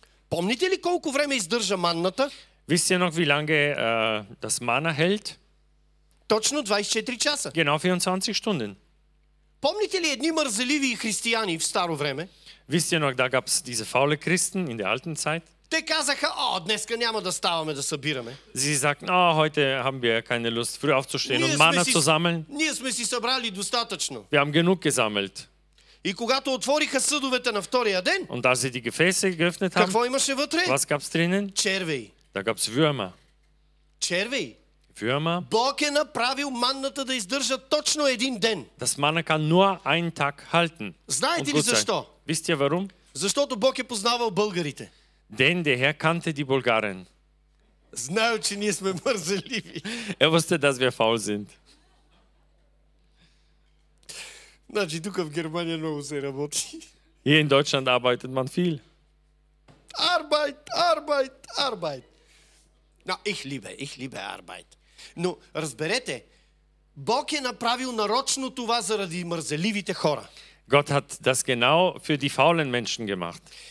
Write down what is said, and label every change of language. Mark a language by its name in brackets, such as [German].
[Bulgarian] Помните ли колко време издържа манната? [German] Wisst ihr noch, wie lange das Manna hält? [Bulgarian] Точно 24 часа. [German] Genau 24 Stunden. [Bulgarian] Помните ли едни мързеливи християни в старо време? [German] Wisst ihr noch, da gab es diese faule Christen in der alten Zeit? [Bulgarian] Те казаха, о, днеска няма да ставаме да събираме. [German] Sie sagten, oh, heute haben wir keine Lust, früh aufzustehen und Manna zu sammeln. [Bulgarian] Ние сме си събрали достатъчно. [German] Wir haben genug gesammelt. [Bulgarian] И когато отвориха съдовете на втория ден, [German] und als sie die Gefäße geöffnet haben, [Bulgarian] какво имаше вътре? [German] Was gab's drinnen? [Bulgarian] Червей. [German] Da gab's Würmer. [Bulgarian] Червей. [German] Würmer. [Bulgarian] Бог е направил манната да издържа точно един ден. [German] Das Manna kann nur einen Tag halten. [Bulgarian] Знаете ли защо? [German] Wisst ihr warum? [Bulgarian] Защото Бог е познавал българите. [German] Denn der Herr kannte die Bulgaren. [Bulgarian] Знаю, че ние сме мързеливи. [German] Er wusste, dass wir faul sind. [Bulgarian] Значи, тук в Германия много се работи. [German] Hier in Deutschland arbeitet man viel. Arbeit, Arbeit, Arbeit. No, ich liebe Arbeit. [Bulgarian] Но разберете, Бог е направил нарочно това заради мързеливите хора. [German] Gott hat das genau für die faulen Menschen gemacht.